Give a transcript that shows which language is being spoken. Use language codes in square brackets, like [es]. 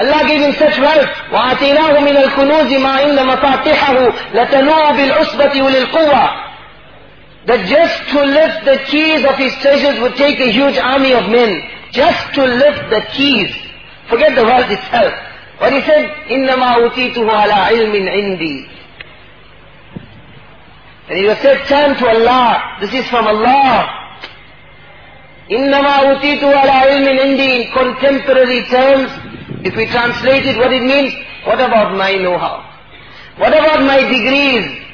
[en] Allah gave him such wealth. [ar] وَآتِيْنَاهُ مِنَ الْكُنُوزِ مَا إِنَّ مَفَاتِحَهُ لَتَنُوعُ بِالْعُصْبَةِ وَلِلْقُوَّةِ. [en] That just to lift the keys of his treasures would take a huge army of men. Just to lift the keys. Forget the wealth itself. But he said, [ar] إِنَّمَا أُوتِيتُهُ عَلَىٰ عِلْمٍ عِنْدِي. [en] And he was said, turn to Allah. This is from Allah. [ar] إِنَّمَا أُوتِيتُهُ عَلَىٰ عِلْمٍ عِنْدِي. [en] In contemporary terms, if we translate it, what it means? What about my know-how? What about my degrees?